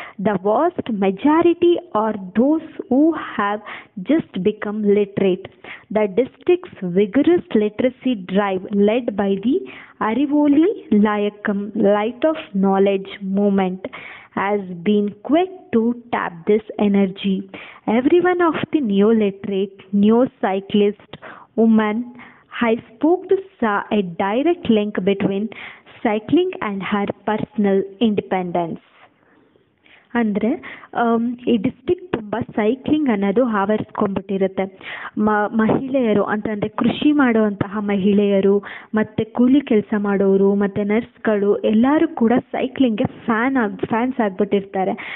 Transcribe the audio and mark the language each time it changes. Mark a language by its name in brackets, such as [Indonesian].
[English] The vast majority are those who have just become literate the district's vigorous literacy drive led by the Arivoli Iyakkam light of knowledge movement has been quick to tap this energy. Everyone of the neo-literate, neo-cyclist, woman has spoke to saw a direct link between cycling and her personal independence. [Kannada] ಅಂದರೆ ಈ district ತುಂಬ cycling ಅನ್ನೋದು ಆವರಿಸ್ಕೊಂಡ್ಬಿಟ್ಟಿರುತ್ತೆ. ಮಹಿಳೆಯರು ಅಂತಂದರೆ ಕೃಷಿ ಮಾಡುವಂತಹ ಮಹಿಳೆಯರು ಮತ್ತು ಕೂಲಿ ಕೆಲಸ ಮಾಡೋರು ಮತ್ತು ನರ್ಸ್ಗಳು ಎಲ್ಲರೂ ಕೂಡ ಸೈಕ್ಲಿಂಗ್ಗೆ ಫ್ಯಾನ್ಸ್ ಆಗಿಬಿಟ್ಟಿರ್ತಾರೆ.